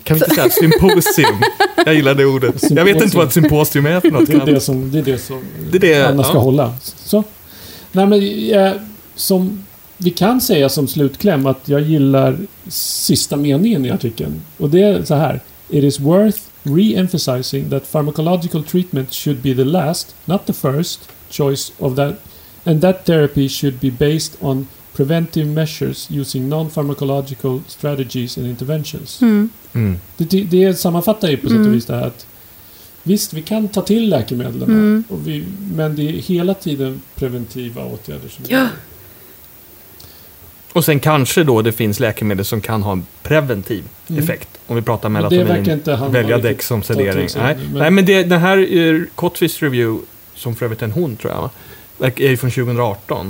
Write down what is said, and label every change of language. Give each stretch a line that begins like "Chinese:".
Swedish: Kan vi inte säga symposium? Jag gillar det ordet. Symposium. Jag vet inte vad ett symposium är för något. Det är det som Anna ska hålla. Så. Nej, men som vi kan säga som slutkläm att jag gillar sista meningen i artikeln. Och det är så här.
English: It is worth re-emphasizing that pharmacological treatment should be the last, not the first, choice of that, and that therapy should be based on preventive measures using non-pharmacological strategies and interventions.
Swedish: Det sammanfattar ju på sätt och vis det här att visst, vi kan ta till läkemedlen, men det är hela tiden preventiva åtgärder som ja. Och sen kanske då det finns läkemedel som kan ha en preventiv effekt. Om vi pratar melatonin, välja Dex som sedering. Nej, men det, den här Kotvis review, som för övrigt en hon tror jag, är ju från 2018.